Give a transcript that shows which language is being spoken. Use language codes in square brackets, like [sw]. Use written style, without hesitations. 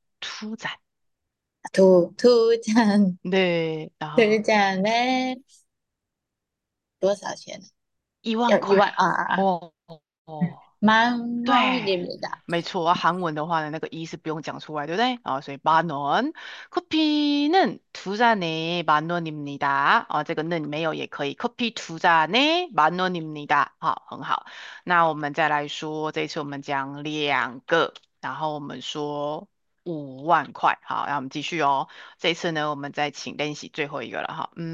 [ko] 2잔. 2잔 네. [zh] 2잔에 多少钱？ [ko] 1만 [zh] 要块。 1万啊，对， [ko] 10,000원입니다. [zh] 没错，韩文的话呢，那个一是不用讲出来，对不对？ [ko] 所以10,000원 커피는 2잔에 10,000원입니다. [zh] 这个는没有也可以， [ko] 커피 2잔에 10,000원입니다. [zh] 好，很好。那我们再来说，这次我们讲2个，然后我们说5万块。好，那我们继续哦。这次呢，我们再请练习最后一个了哈。